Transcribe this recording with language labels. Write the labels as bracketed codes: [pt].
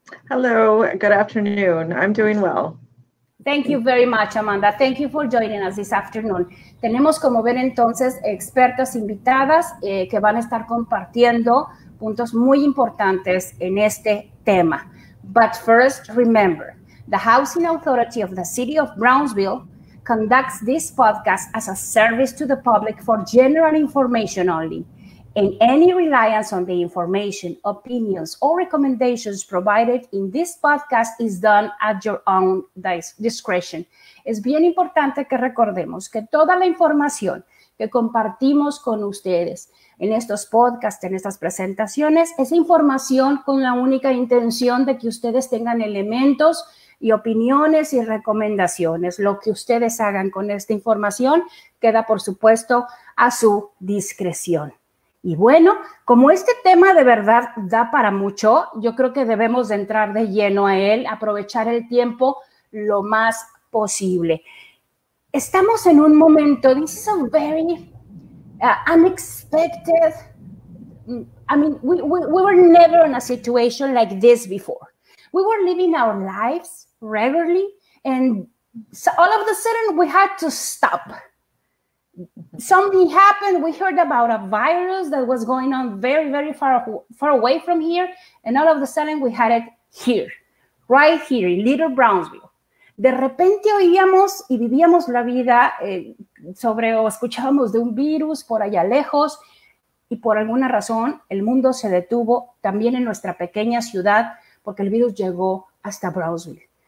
[en] Hello, good afternoon. I'm doing well. Thank you very much, Amanda. Thank you for joining us this afternoon. [es] Tenemos, como ven, entonces, expertas invitadas que van a estar compartiendo puntos muy importantes en este tema. [en] But first, remember, the Housing Authority of the City of Brownsville conducts this podcast as a service to the public for general information only. And any reliance on the information, opinions, or recommendations provided in this podcast is done at your own discretion. [es] Es bien importante que recordemos que toda la información que compartimos con ustedes en estos podcasts, en estas presentaciones, es información con la única intención de que ustedes tengan elementos y opiniones y recomendaciones. Lo que ustedes hagan con esta información queda, por supuesto, a su discreción. Y bueno, como este tema de verdad da para mucho, yo creo que debemos de entrar de lleno a él, aprovechar el tiempo lo más posible. Estamos en un momento, [en] this is a very unexpected, I mean, we were never in a situation like this before. We were living our lives regularly, and so all of a sudden we had to stop. Something happened. We heard about a virus that was going on very, very far away from here. And all of a sudden, we had it here, right here in Little Brownsville. [es] De repente oíamos y vivíamos la vida sobre o escuchábamos de un virus por allá lejos. Y por alguna razón, el mundo se detuvo también en nuestra pequeña ciudad porque el virus llegó hasta Brownsville.